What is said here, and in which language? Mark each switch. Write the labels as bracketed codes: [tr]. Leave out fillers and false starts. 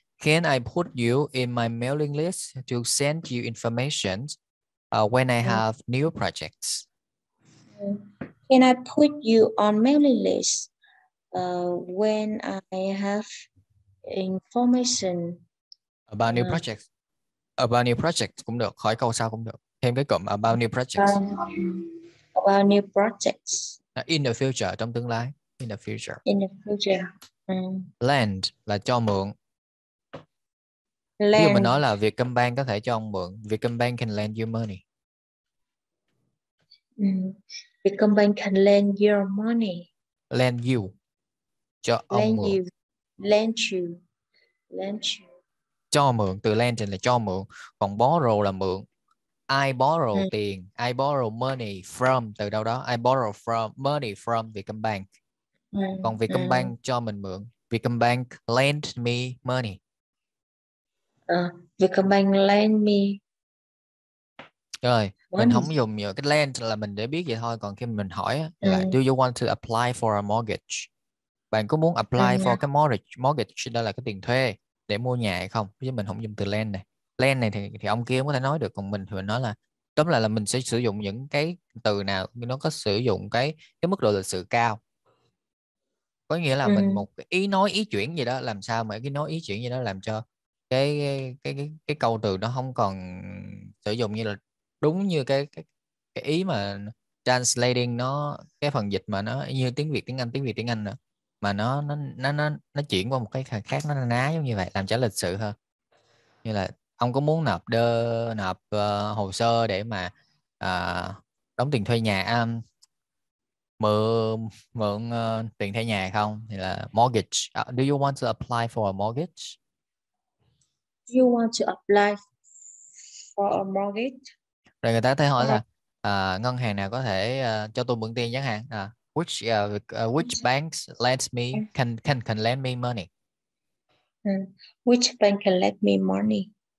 [en] Can I put you in my mailing list to send you information when I have new projects? Can I put you on mailing list when I have information? About new projects. About new projects [vi] cũng được. Khỏi câu sau cũng được. Thêm cái cụm [en] about new projects. About new projects. In the future, [vi] trong tương lai. [en] In the future. In the future. [vi] Land là cho mượn. [en] Land. [vi] Ví dụ mình nói là Vietcombank có thể cho ông mượn. [en] Vietcombank can lend you money. Vietcombank can lend your money. Lend you. [vi] Cho [en] lend [vi] ông mượn. [en] You. Lend you. Lend you. [vi] Cho mượn, từ lend là cho mượn. Còn borrow là mượn. [en] I borrow [vi] tiền. [en] I borrow money from, [vi] từ đâu đó. [en] I borrow from money from Vietcombank. [vi] Còn Vietcombank cho mình mượn. [en] Vietcombank lend me money. Vietcombank [vi] Rồi, mình [en] lend [vi] không dùng nhiều cái lend là mình để biết vậy thôi. Còn khi mình hỏi là [en] me do you want to apply for a mortgage? [vi] Bạn có muốn [en] apply for [vi] cái mortgage? Mortgage đó là cái tiền thuê để mua nhà hay không? Chứ mình không dùng từ lend này. Lend này thì ông kia không có thể nói được. Còn mình thì mình nói là tóm lại là mình sẽ sử dụng những cái từ nào nó có sử dụng cái mức độ lịch sự cao. Có nghĩa là mình một ý nói ý chuyển gì đó, làm sao mà cái nói ý chuyển gì đó làm cho cái câu từ nó không còn sử dụng như là đúng như cái ý mà translating nó, cái phần dịch mà nó như tiếng Việt tiếng Anh, tiếng Việt tiếng Anh nữa, mà nó chuyển qua một cái khác, nó ná giống như vậy, làm cho lịch sự hơn. Như là ông có muốn nộp đơn, nộp hồ sơ để mà đóng tiền thuê nhà, mượn mượn tiền thuê nhà không, thì là mortgage. [en] Do you want to apply for a mortgage? You want to apply for a mortgage? [vi] Rồi người ta thấy hỏi là ngân hàng nào có thể cho tôi mượn tiền chẳng hạn, [en] which banks lends me can lend me money, Can lend me money?